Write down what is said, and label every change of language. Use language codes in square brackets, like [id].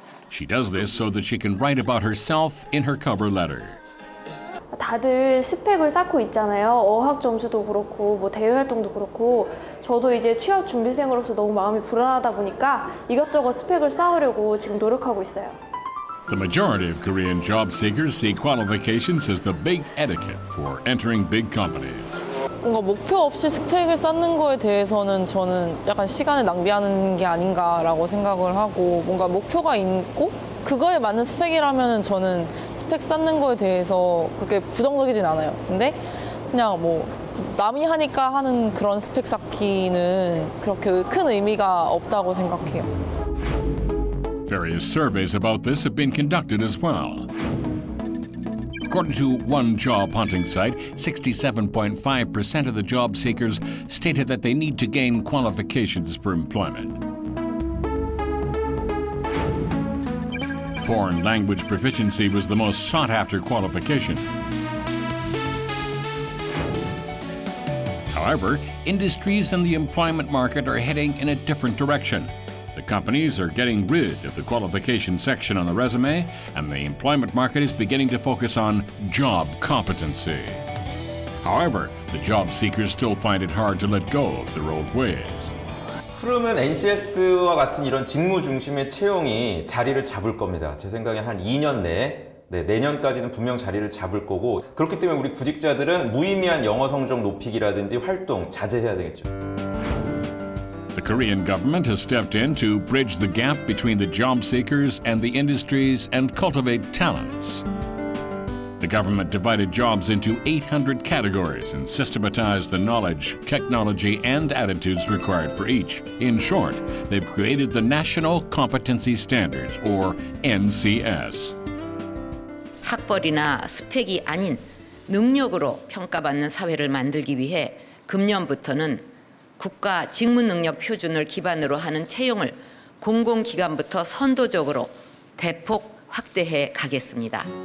[en] She does this so that she can write about herself in her cover letter. [ko] 다들 스펙을 쌓고 있잖아요. 어학 점수도 그렇고 뭐 대외 활동도 그렇고 저도 이제 취업 준비생으로서 너무 마음이 불안하다 보니까 이것저것 스펙을 쌓으려고 지금 노력하고 있어요. [en] The majority of Korean job seekers see qualifications as the big etiquette for entering big companies. [ko] 뭔가 목표 없이 스펙을 쌓는 거에 대해서는 저는 약간 시간을 낭비하는 게 아닌가라고 생각을 하고 뭔가 목표가 있고 그거에 맞는 스펙이라면 저는 스펙 쌓는 거에 대해서 그렇게 부정적이진 않아요. 근데 그냥 뭐 남이 하니까 하는 그런 스펙 쌓기는 그렇게 큰 의미가 없다고 생각해요. [en] Various surveys about this have been conducted as well. According to one job hunting site, 67.5% of the job seekers stated that they need to gain qualifications for employment. Foreign language proficiency was the most sought-after qualification. However, industries and the employment market are heading in a different direction. The companies are getting rid of the qualification section on the resume, and the employment market is beginning to focus on job competency. However, the job seekers still find it hard to let go of their old ways. [ko] 흐름은 NCS와 같은 이런 직무 중심의 채용이 자리를 잡을 겁니다. 제 생각에 한 2년 내에, 네, 내년까지는 분명 자리를 잡을 거고 그렇기 때문에 우리 구직자들은 무의미한 영어 성적 높이기라든지 활동 자제해야 되겠죠. [en] The Korean government has stepped in to bridge the gap between the job seekers and the industries and cultivate talents. The government divided jobs into 800 categories and systematized the knowledge, technology, and attitudes required for each. In short, they've created the National Competency Standards, or NCS. [ko] 학벌이나 스펙이 아닌 능력으로 평가받는 사회를 만들기 위해 금년부터는 국가 직무 능력 표준을 기반으로 하는 채용을 공공기관부터 선도적으로 대폭 확대해 가겠습니다.